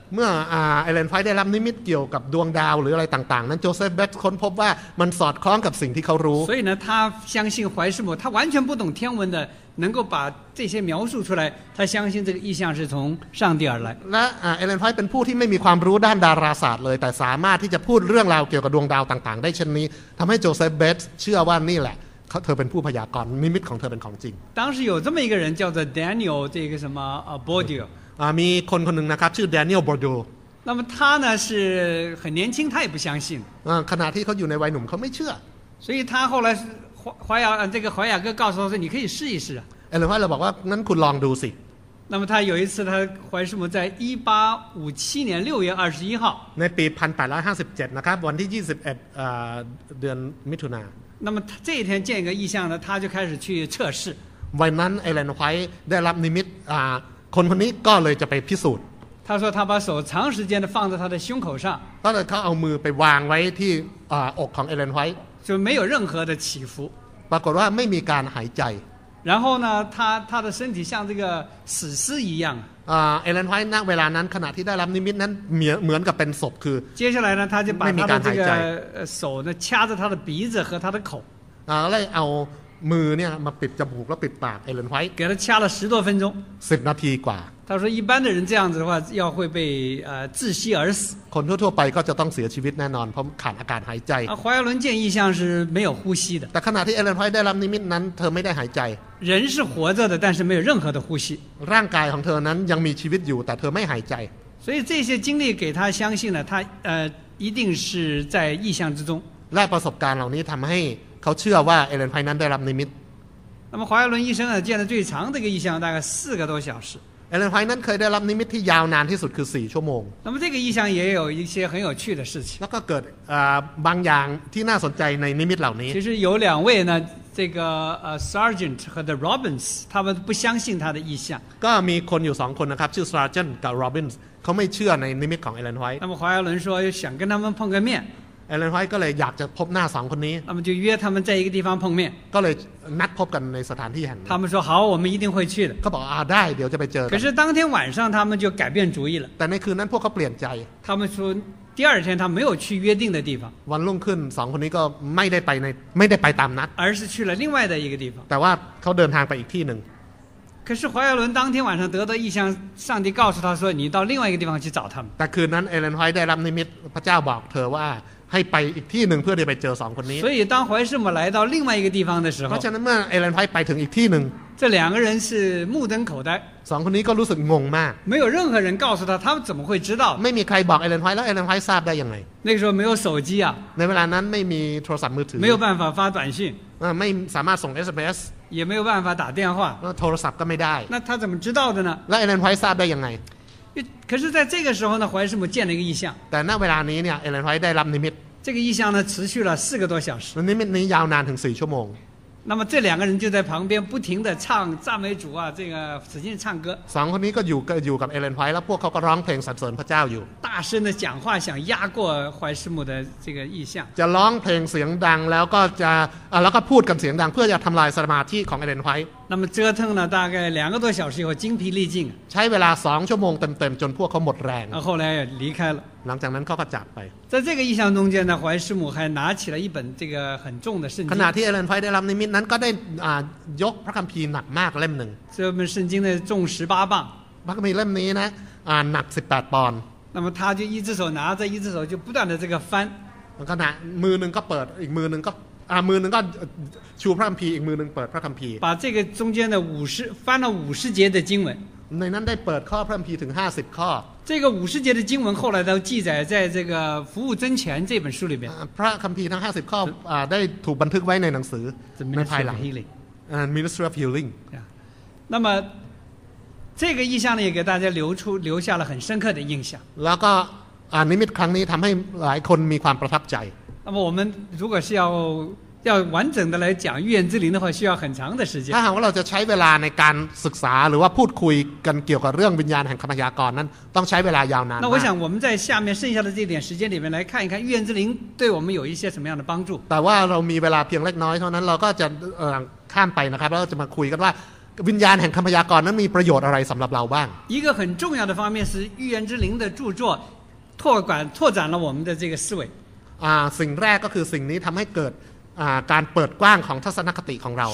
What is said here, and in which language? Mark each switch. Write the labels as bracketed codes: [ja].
[th] เมื่อไอแลนไฟได้รับนิมิตเกี่ยวกับดวงดาวหรืออะไรต่างๆนั้นโจเซฟแบ็กค้นพบว่ามันสอดคล้องกับสิ่งที่เขารู้ [zh] 所以呢他相信怀师母他完全不懂天文的能够把这些描述出来他相信这个意象是从上帝而来 [th] และไอแลนไฟเป็นผู้ที่ไม่มีความรู้ด้านดาราศาสตร์เลยแต่สามารถที่จะพูดเรื่องราวเกี่ยวกับดวงดาวต่างๆได้เช่นนี้ทำให้โจเซฟแบ็กเชื่อว่านี่แหละเธอเป็นผู้พยากรณ์นิมิตของเธอเป็นของจริง [zh] 当时有这么一个人叫做 Daniel 这个什么Bourdieu [th] มีคนคนหนึ่งนะครับชื่อ Daniel Bourdieu [zh] 那么他呢是很年轻他也不相信 [th] ขณะที่เขาอยู่ในวัยหนุ่มเขาไม่เชื่อ [zh] 所以他后来怀雅这个怀雅哥告诉他说你可以试一试 [th] เอลเลนไฟเราบอกว่างั้นคุณลองดูสิ [zh] 那么他有一次他怀师母在1857年6月21号 [th] ในปี1857นะครับวันที่21เดือนมิถุนาย [zh] น那么这一天见一个异象呢他就开始去测试 [th] วันนั้นเอลเลนไฟได้รับนิมิตคนคนนี้ก็เลยจะไปพิสูจน์ [zh] 他说他把手长时间的放在他的胸口上 [th] ก็เลยเขาเอามือไปวางไว้ที่อกของเอลเลนไฟ [zh] 就没有任何的起伏 [th] ปรากฏว่าไม่มีการหายใจ [zh] 然后呢他的身体像这个死尸一样 [th] เอลเลนไฟณเวลานั้นขณะที่ได้รับนิมิตนั้นเหมือนกับเป็นศพคือ [zh] 接下来呢他就把他的这个手呢掐着他的鼻子和他的口 [th] เลยเอามือเนี่ยมาปิดจมูกแล้วปิดปากเอลเลนไฟ [zh] 给他掐了十多分钟 [th] 10นาทีกว่า [zh] 他说一般的人这样子的话要会被窒息而死 [th] คนทั่วไปก็จะต้องเสียชีวิตแน่นอนเพราะขาดอากาศหายใจ [zh] 怀俄伦见异象是没有呼吸的 [th] แต่ขณะที่เอลเลนไฟได้รับนิมิตนั้นเธอไม่ได้หายใจ [zh] 人是活着的但是没有任何的呼吸 [th] ร่างกายของเธอนั้นยังมีชีวิตอยู่แต่เธอไม่หายใจ [zh] 所以这些经历给他相信了他一定是在异象之中 [th] และประสบการณ์เหล่านี้ทำให้เขาเชื่อว่าเอเลนไฟนั้นได้รับนิมิต [zh] 那么怀俄伦医生呢见的最长的一个异象大概四个多小时 [th] เอเลนไฟนั้นเคยได้รับนิมิตที่ยาวนานที่สุดคือ4ชั่วโมง [zh] 那么这个异象也有一些很有趣的事情 [th] แล้วก็เกิดบางอย่างที่น่าสนใจในนิมิตเหล่านี้ [zh] 其实有两位呢这个Sergeant 和 the Robbins 他们不相信他的异象 [th] ก็มีคนอยู่2คนนะครับชื่อ Sergeant กับ Robbins เขาไม่เชื่อในนิมิตของเอเลนไฟ [zh] 那么怀俄伦说想跟他们碰个面 [th] เอลเลนไฟก็เลยอยากจะพบหน้าสองคนนี้ [zh] 他们就约他们在一个地方碰面 [th] ก็เลยนัดพบกันในสถานที่แห่งนั้ [zh] น他们说好我们一定会去的 [th] เขาบอกได้เดี๋ยวจะไปเจอ [zh] 可是当天晚上他们就改变主意了 [th] แต่ในคืนนั้นพวกเขาเปลี่ยนใจ [zh] 他们说第二天他没有去约定的地方 [th] วันรุ่งขึ้นสองคนนี้ก็ไม่ได้ไปตามนัด [zh] 而是去了另外的一个地方 [th] แต่ว่าเขาเดินทางไปอีกที่หนึ่ง [zh] 可是怀俄伦当天晚上得到异象上帝告诉他说你到另外一个地方去找他们 [th] แต่คืนนั้นเอลเลนไฟได้รับนิมิตพระเจ้าบอกเธอว่าให้ไปอีกที่หนึ่งเพื่อจะไปเจอสองคนนี้ [zh] 所以当怀师母来到另外一个地方的时候 [th] เพราะฉะนั้นเมื่อเอลเลนไฟไปถึงอีกที่หนึ่ง [zh] 这两个人是目瞪口呆 [th] สองคนนี้ก็รู้สึกงงมาก [zh] 没有任何人告诉他他们怎么会知道 [th] ไม่มีใครบอกเอลเลนไฟแล้วเอลเลนไฟทราบได้ยังไง [zh] 那个时候没有手机啊 [th] ในเวลานั้นไม่มีโทรศัพท์มือถือ [zh] 没有办法发短信 [th] ไม่สามารถส่ง SMS [zh] 也没有办法打电话 [th] โทรศัพท์ก็ไม่ได้ [zh] 那他怎么知道的呢 [th] แล้วเอลเลนไฟทราบได้ยังไง [zh] 可是在这个时候呢怀师母见了一个异象 [th] แต่ณเวลานี้เนี่ยเอเลนไฟได้รับนิมิต [zh] 这个异象呢持续了四个多小时 [th] นิมิตนี้ยาวนานถึง4ชั่วโมง [zh] 那么这两个人就在旁边不停地唱赞美主啊这个使劲唱歌 [th] สองคนนี้ก็อยู่กับเอเลนไฟแล้วพวกเขาก็ร้องเพลงสรรเสริญพระเจ้าอยู่ [zh] 大声的讲话想压过怀师母的这个异象 [th] จะร้องเพลงเสียงดังแล้วก็จะแล้วก็พูดกันเสียงดังเพื่อจะทำลายสมาธิของเอเลนไฟ [zh] 那么折腾了大概两个多小时以后精疲力尽 [th] ใช้เวลา2ชั่วโมงเต็มๆจนพวกเขาหมดแรง [zh] 后来离开了 [th] หลังจากนั้นเขาก็จากไป [zh] 在这个异象中间呢怀师母还拿起了一本这个很重的圣经 [th] ขณะที่เอเลนไฟได้รับนิมิตนั้นก็ได้ยกพระคัมภีร์หนักมากเล่มนึง [zh] 这本圣经呢重18磅 [th] พระคัมภีร์เล่มนี้นะหนัก18ปอนด์ [zh] 那么他就一只手拿着一只手就不断的这个翻 [th] ขณะมือนึงก็เปิดอีกมือนึงก็มือนึงก็ชูพระคัมภีร์อีกมือนึงเปิดพระคัมภีร์ [zh] 把这个中间的50翻了50节的经文 [th] ในนั้นได้เปิดข้อพระคัมภีร์ถึง50ข้ [zh] อ这个50节的经文后来都记载在这个服务真前这本书里面 [th] พระคัมภีร์ทั้ง50ข้อได้ถูกบันทึกไว้ในหนังสือในภายหลัง Ministry of Healing นะ [zh] 那么这个意象呢也给大家留下了很深刻的印象 [th] แล้วก็นิมิตครั้งนี้ทำให้หลายคนมีความประทับใจ [zh] 那么我们如果是要完整的来讲预言之灵的话需要很长的时间 [th] ถ้าหากว่าเราจะใช้เวลาในการศึกษาหรือว่าพูดคุยกันเกี่ยวกับเรื่องวิญญาณแห่งคำพยากรณ์นั้นต้องใช้เวลายาวนาน นะ [zh] 那我想我们在下面剩下的这点时间里面来看一看预言之灵对我们有一些什么样的帮助 [th] แต่ว่าเรามีเวลาเพียงเล็กน้อยเท่านั้นเราก็จะข้ามไปนะครับแล้วจะมาคุยกันว่า วิญญาณแห่งคำพยากรณ์นั้นมีประโยชน์อะไรสำหรับเราบ้าง [zh] 一个很重要的方面是预言之灵的著作拓管拓展了我们的这个思维 [th] สิ่งแรกก็คือสิ่งนี้ทำให้เกิดการเปิดกว้างของทัศนคติของเรา